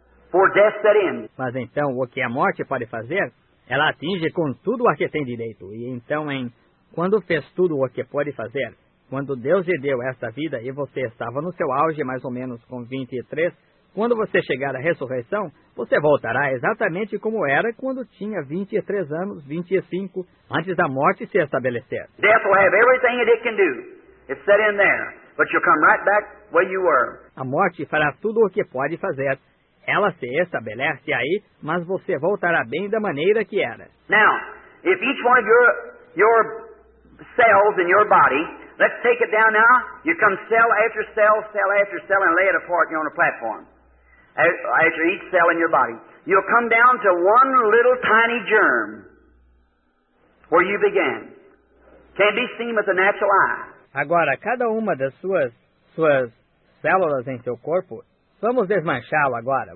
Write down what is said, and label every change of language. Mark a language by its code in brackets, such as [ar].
[en] For death set in. [pt] Mas então, o que a morte pode fazer, ela atinge com tudo o que tem direito. E então, quando fez tudo o que pode fazer, quando Deus lhe deu esta vida e você estava no seu auge, mais ou menos com 23, quando você chegar à ressurreição, você voltará exatamente como era quando tinha 23 anos, 25, antes da morte se estabelecer. [en] Death will have everything that it can do. It's set in there. But you'll come right back where you were. [pt] A morte fará tudo o que pode fazer. Ela se estabelece aí, mas você voltará bem da maneira que era. [en] Now, if each one of your cells in your body, let's take it down now. You come cell after cell, and lay it apart on a platform. After each cell in your body, you'll come down to one little tiny germ where you began. Can't be seen with the natural eye. [pt] Agora, cada uma das suas células em seu corpo, vamos desmanchá-lo agora.